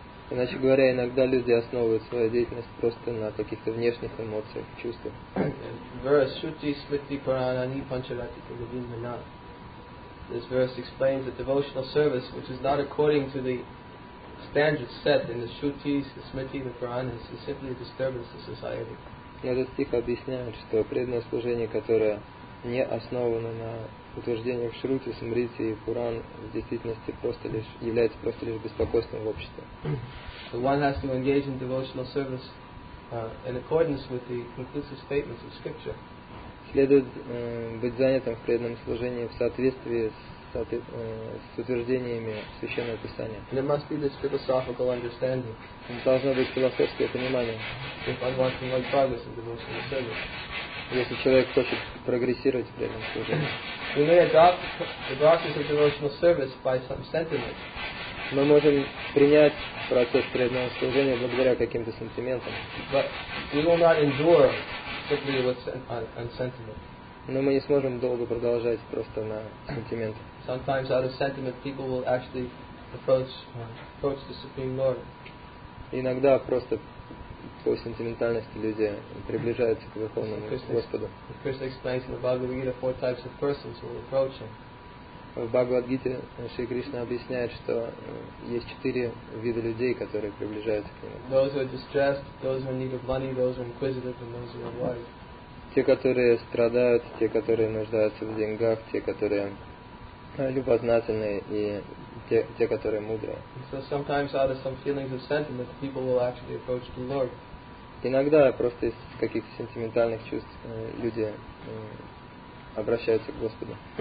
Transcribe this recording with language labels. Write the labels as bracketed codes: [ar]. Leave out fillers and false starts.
[ru] Иначе говоря, иногда люди основывают свою деятельность просто на каких-то внешних эмоциях, чувствах. [sa] Verse Shruti Smriti Purana Ni Pancharati Kavindana. [en] This verse explains that devotional service, which is not according to the standards set in the Shruti, the Smriti, the Puranas, is simply a disturbance to society. [ru] Этот стих объясняет, что преданное служение, которое не основано на утверждениях Шрути, Смрити и Пуран, в действительности просто лишь является просто лишь беспокойством в обществе. [en] So one has to engage in devotional service in accordance with the conclusive statements of scripture. [ru] Следует быть занятым в преданном служении в соответствии с утверждениями Священного Писания. [en] And it must be this philosophical understanding. [ru] Должно быть философское понимание. [en] If one wants to make progress in devotional service. [ru] Если человек хочет прогрессировать в преданном служении. [en] We may adopt the process of devotional service by some sentiment. [ru] Мы можем принять процесс преданного служения благодаря каким-то сентиментам. [en] But we will not endure simply with sentiment. [ru] Но мы не сможем долго продолжать просто на сентиментах. [en] Sometimes out of sentiment people will actually approach the Supreme Lord. [ru] Иногда просто по сентиментальности люди приближаются к Верховному Господу. [en] Krishna explains in the Bhagavad Gita four types of persons who will approach him. [ru] В Бхагавад Гите Шри Кришна объясняет, что есть четыре вида людей, которые приближаются к нему. [en] Those who are distressed, those who are in need of money, those who are inquisitive, and those who are wise. [ru] Те, которые страдают, те, которые нуждаются в деньгах, те, которые любознательные и те, которые мудрые. [en] So sometimes out of some feelings of sentiment, people will actually approach the Lord. [ru] Иногда просто из каких-то сентиментальных чувств люди обращаются к Господу.